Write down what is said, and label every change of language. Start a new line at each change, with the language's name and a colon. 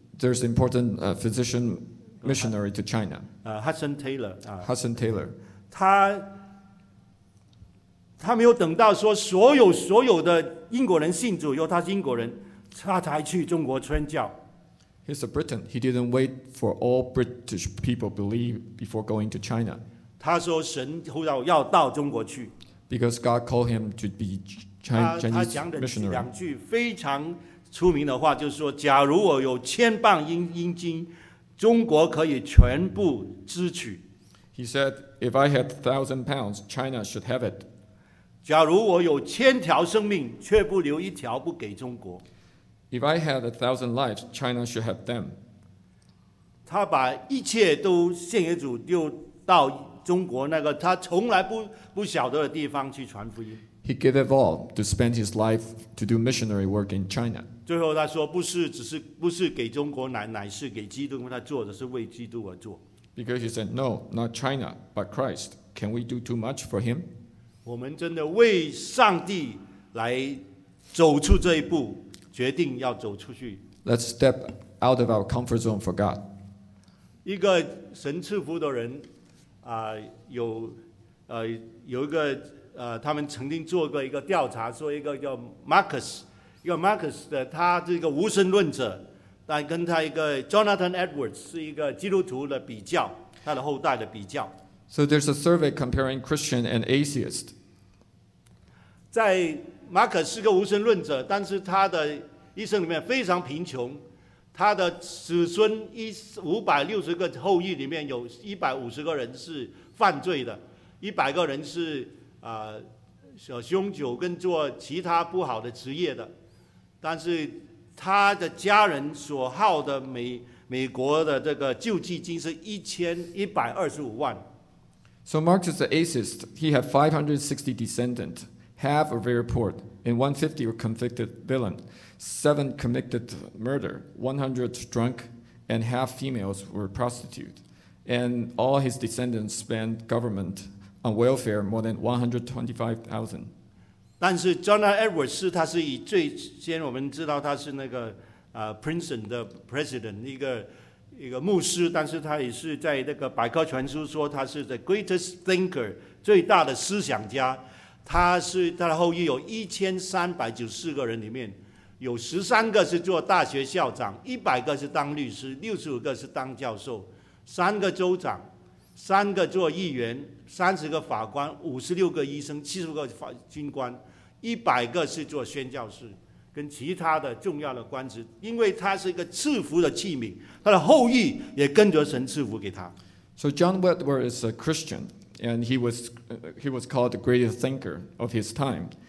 English: There's important physician missionary to China. Hudson Taylor. Hudson Taylor.
Chinese: 他没有等到说所有的英国人信主，因为他是英国人，他才去中国传教。
English: He's a Briton. He didn't wait for all British people believe before going to China.
Chinese: 他说神呼召要到中国去。
English: Because God called him to be Chinese missionary.
Chinese: 他讲的两句非常出名的话，就是说，假如我有千磅英金，中国可以全部支取。
English: He said, "If I had 1,000 pounds, China should have it."
Chinese: 假如我有千条生命，却不留一条不给中国。
English: If I had 1,000 lives, China should have them.
Chinese: 他把一切都献给主，丢到中国那个他从来不晓得的地方去传福音。
English: He gave it all to spend his life to do missionary work in China.
Chinese: 最后他说不是给中国，乃是给基督，因为他做的是为基督而做。
English: Because he said, no, not China, but Christ. Can we do too much for him?
Chinese: 我们真的为上帝来走出这一步，决定要走出去。
English: Let's step out of our comfort zone for God.
Chinese: 一个神赐福的人，有一个他们曾经做过一个调查，说一个叫 Marcus， 一个 Marcus 的，他是一个无神论者，但跟他一个 Jonathan Edwards 是一个基督徒的比较，他的后代的比较。
English: So there's a survey comparing Christian and atheist.
Chinese: 在 Marcus 是个无神论者，但是他的一生里面非常贫穷，他的子孙560个后裔里面有150个人是犯罪的，100个人是凶酒跟做其他不好的职业的，但是他的家人所耗的美国的这个救济金是1125万。
English: So Marx is an atheist. He had 560 descendants. Half are very poor, and 150 were convicted villain. 7 convicted murder. 100 drunk, and half females were prostitute. And all his descendants spent government. On welfare, more than 125,000.
Chinese: 但是 Jonathan Edwards 是他是以最先我们知道他是那个Princeton 的 president 一个牧师，但是他也是在那个百科全书说他是
English: the greatest thinker
Chinese: 最大的思想家。他是他的后裔有1394个人里面有13个是做大学校长，100个是当律师，65个是当教授，3个州长。 3个做议员，30个法官，56个医生，75个军官，100个是做宣教士，跟其他的重要的官职。因为他是一个赐福的器皿，他的后裔也跟着神赐福给他。
English: So John Wetmore is a Christian, and he was called the greatest thinker of his time.